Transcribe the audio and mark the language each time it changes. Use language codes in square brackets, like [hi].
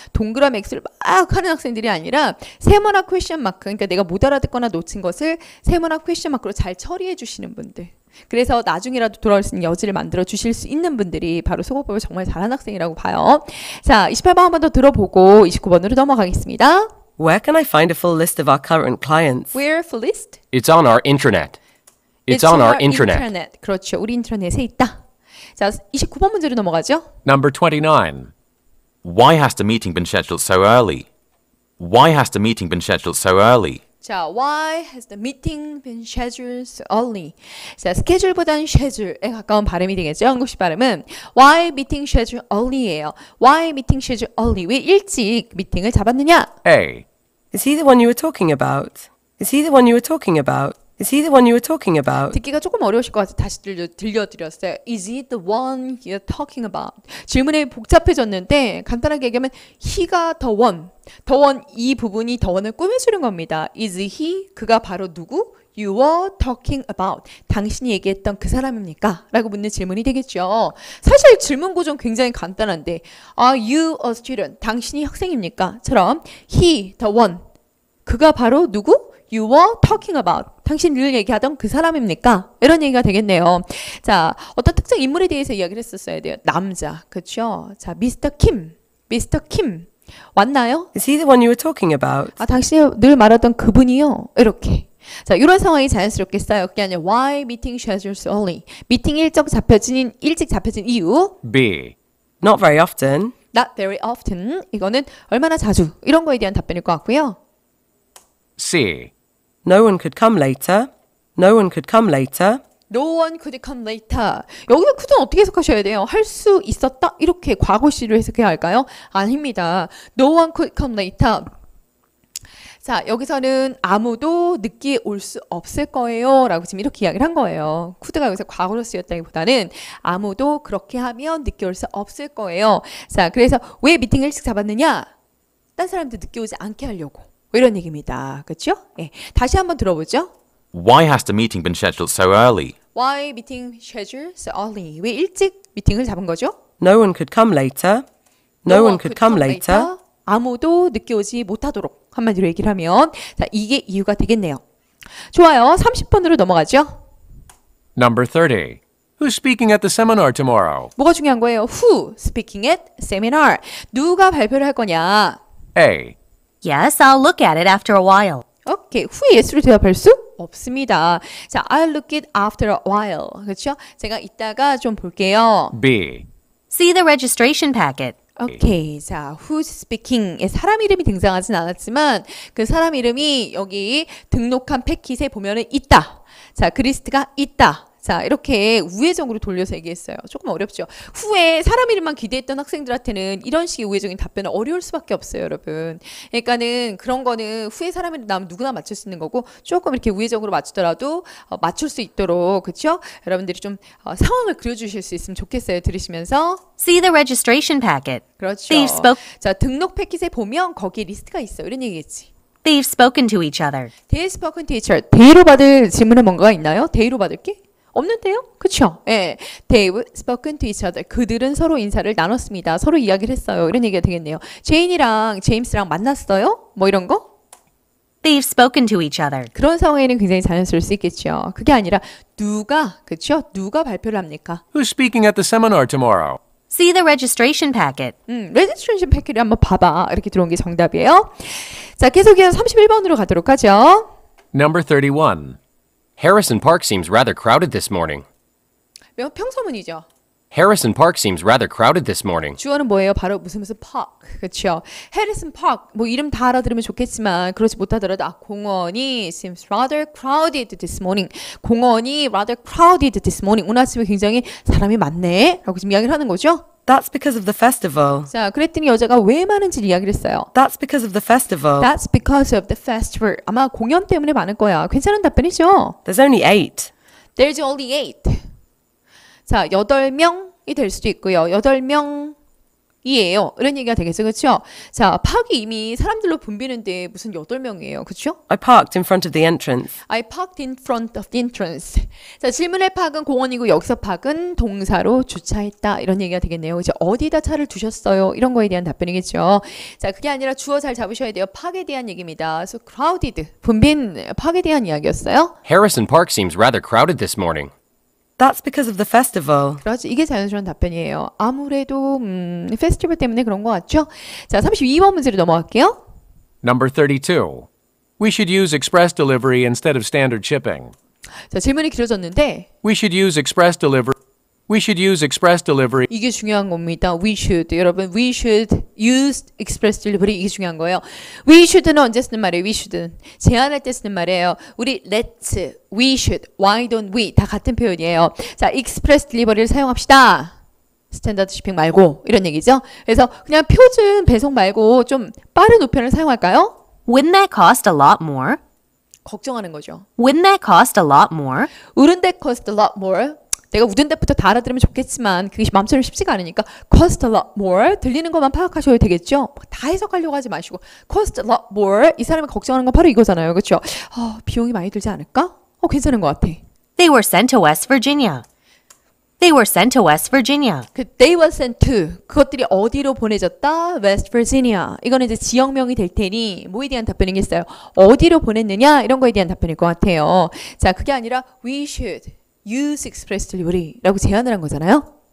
[ko] 동그라미 X를 막 하는 학생들이 아니라 세모나 퀘션 마크, 그러니까 내가 못 알아듣거나 놓친 것을 세모나 퀘션 마크로 잘 처리해 주시는 분들. 그래서 나중이라도 돌아올 수 있는 여지를 만들어 주실 수 있는 분들이 바로 소고법을 정말 잘한 학생이라고 봐요. 자, 28번 한 번 더 들어보고 29번으로 넘어가겠습니다. [en] Where can I find a full list of our current clients? Where full list? It's on our intranet. It's on our intranet. Intranet. [ko] 그렇죠. 우리 인터넷에 있다. 자, 29번 문제로 넘어가죠. [en] Number 29. Why has the meeting been scheduled so early? Why has the meeting been scheduled so early? 자, why has the meeting been scheduled so early? [ko] 자, schedule보다는 schedule에 가까운 발음이 되겠죠. 영국식 발음은 [en] why meeting scheduled early예요. Why meeting scheduled early? [ko] 왜 일찍 미팅을 잡았느냐? [en] A. Is he the one you were talking about? Is he the one you were talking about? Is he the one you were talking about? [ko] 듣기가 조금 어려우실 것 같아서 다시 들려드렸어요. [en] Is he the one you're talking about? [ko] 질문이 복잡해졌는데 간단하게 얘기하면 he가 the one. The one 이 부분이 the one을 꾸며주는 겁니다. [en] Is he [ko] 그가 바로 누구? [en] You were talking about. [ko] 당신이 얘기했던 그 사람입니까? 라고 묻는 질문이 되겠죠. 사실 질문 구조는 굉장히 간단한데 [en] Are you a student? [ko] 당신이 학생입니까? 처럼 he, the one. 그가 바로 누구? [en] You were talking about. [ko] 당신 늘 얘기하던 그 사람입니까? 이런 얘기가 되겠네요. 자, 어떤 특정 인물에 대해서 이야기를 했었어야 돼요. 남자, 그렇죠? 자, Mr. Kim. Mr. Kim. 왔나요? [en] Is he the one you were talking about? [ko] 아, 당신이 늘 말하던 그분이요? 이렇게. 자, 이런 상황이 자연스럽게 쌓여. 그게 아니라 [en] Why meeting schedules early? [ko] 미팅 일정 잡혀진, 일찍 잡혀진 이유? [en] B. Not very often. Not very often. [ko] 이거는 얼마나 자주? 이런 거에 대한 답변일 것 같고요. [en] C. No one could come later. No one could come later. No one could come later. [ko] 여기서 could은 어떻게 해석하셔야 돼요? 할 수 있었다? 이렇게 과거시로 해석해야 할까요? 아닙니다. [en] No one could come later. [ko] 자, 여기서는 아무도 늦게 올 수 없을 거예요. 라고 지금 이렇게 이야기를 한 거예요. could가 여기서 과거로 쓰였다기보다는 아무도 그렇게 하면 늦게 올 수 없을 거예요. 자, 그래서 왜 미팅을 일찍 잡았느냐? 딴 사람들 늦게 오지 않게 하려고. 이런 얘기입니다. 그렇죠? 예. 다시 한번 들어보죠. [en] Why has the meeting been scheduled so early? Why meeting scheduled so early? [ko] 왜 일찍 미팅을 잡은 거죠? [en] No one could come later. No one could come later. [ko] 아무도 늦게 오지 못하도록 한마디로 얘기를 하면 자, 이게 이유가 되겠네요. 좋아요. 30번으로 넘어가죠. [en] Number 30. Who's speaking at the seminar tomorrow? [ko] 뭐가 중요한 거예요? [en] Who speaking at seminar? [ko] 누가 발표를 할 거냐? [en] A. Yes, I'll look at it after a while. [ko] Okay, who yes로 대답할 수 없습니다. [en] 자, I'll look it after a while. [ko] 그렇죠? 제가 이따가 좀 볼게요. [en] B. See the registration packet. Okay, 자, who's speaking? [ko] 사람 이름이 등장하진 않았지만 그 사람 이름이 여기 등록한 패킷에 보면은 있다. 자, 그 리스트가 있다. 자, 이렇게 우회적으로 돌려서 얘기했어요. 조금 어렵죠. 후에 사람 이름만 기대했던 학생들한테는 이런 식의 우회적인 답변은 어려울 수밖에 없어요, 여러분. 그러니까는 그런 거는 후에 사람 이름 나오면 누구나 맞출 수 있는 거고 조금 이렇게 우회적으로 맞추더라도 맞출 수 있도록, 그렇죠? 여러분들이 좀 상황을 그려주실 수 있으면 좋겠어요, 들으시면서. [en] See the registration packet. [ko] 그렇죠. [en] They've spoke. [ko] 자, 등록 패킷에 보면 거기에 리스트가 있어요. 이런 얘기겠지. [en] They've spoken to each other. They've spoken to each other. [ko] They로 받을 질문에 뭔가가 있나요? They로 받을 게? 없는데요? 그렇죠? 예. [en] They've spoken to each other. [ko] 그들은 서로 인사를 나눴습니다. 서로 이야기를 했어요. 이런 얘기가 되겠네요. 제인이랑 제임스랑 만났어요? 뭐 이런 거? [en] They've spoken to each other. [ko] 그런 상황에는 굉장히 자연스러울 수 있겠죠. 그게 아니라 누가, 그렇죠? 누가 발표를 합니까? [en] Who's speaking at the seminar tomorrow? See the registration packet. [ko] 레지스트레이션 패킷을 한번 봐봐. 이렇게 들어온 게 정답이에요. 자, 계속해서 31번으로 가도록 하죠. [en] Number 31. Harrison Park seems rather crowded this morning. [ko] 평소문이죠. [en] Harrison Park seems rather crowded this morning. [ko] 주어는 뭐예요? 바로 무슨 무슨 park. 그렇죠. Harrison Park. 뭐 이름 다 알아들으면 좋겠지만 그렇지 못하더라도 아, 공원이 [en] seems rather crowded this morning. [ko] 공원이 [en] rather crowded this morning. [ko] 오늘 아침에 굉장히 사람이 많네. 라고 지금 이야기를 하는 거죠. [en] That's because of the festival. [ko] 자, 그랬더니 여자가 왜 많은지 이야기를 했어요. [en] That's because of the festival. That's because of the festival. [ko] 아마 공연 때문에 많을 거야. 괜찮은 답변이죠? [en] There's only eight. There's only eight. [ko] 자, 8명이 될 수도 있고요. 8명이에요. 이런 얘기가 되겠죠, 그렇죠? 자, 파크 이미 사람들로 붐비는데 무슨 8명이에요, 그렇죠? [en] I parked in front of the entrance. I parked in front of the entrance. [ko] 자, 질문의 파크는 공원이고 여기서 파크는 동사로 주차했다. 이런 얘기가 되겠네요. 이제 어디다 차를 두셨어요? 이런 거에 대한 답변이겠죠. 자, 그게 아니라 주어 잘 잡으셔야 돼요. 파크에 대한 얘기입니다. [en] So crowded. [ko] 붐빈 파크에 대한 이야기였어요. [en] Harrison Park seems rather crowded this morning. That's because of the festival. [ko] 그렇지. 이게 자연스러운 답변이에요. 아무래도 페스티벌 때문에 그런 것 같죠? 자, 32번 문제로 넘어갈게요. [en] Number 32. We should use express delivery instead of standard shipping. [ko] 자, 질문이 길어졌는데 [en] We should use express delivery. We should use express delivery. [ko] 이게 중요한 겁니다. [en] We should. 여러분, we should use express delivery. [ko] 이게 중요한 거예요. We should는 언제 쓰는 말이에요? We should은. 제안할 때 쓰는 말이에요. 우리 [en] let's, we should, why don't we? [ko] 다 같은 표현이에요. 자, express delivery를 사용합시다. 스탠다드 쇼핑 말고. 이런 얘기죠. 그래서 그냥 표준 배송 말고 좀 빠른 우편을 사용할까요? [en] Wouldn't that cost a lot more? [ko] 걱정하는 거죠. [en] Wouldn't that cost a lot more? Wouldn't that cost a lot more? [ko] 내가 우든댓부터 다 알아들으면 좋겠지만 그게 마음처럼 쉽지가 않으니까 [en] cost a lot more [ko] 들리는 것만 파악하셔도 되겠죠? 다 해석하려고 하지 마시고 [en] cost a lot more [ko] 이 사람이 걱정하는 건 바로 이거잖아요. 그렇죠? 어, 비용이 많이 들지 않을까? 어, 괜찮은 것 같아. [en] They were sent to West Virginia. They were sent to West Virginia. [ko] 그 [en] they were sent to [ko] 그것들이 어디로 보내졌다? [en] West Virginia. [ko] 이거는 이제 지역명이 될 테니 뭐에 대한 답변이겠어요. 어디로 보냈느냐? 이런 거에 대한 답변일 것 같아요. 자, 그게 아니라 [en] we should use express delivery [ko] 라고 제안을 한 거잖아요.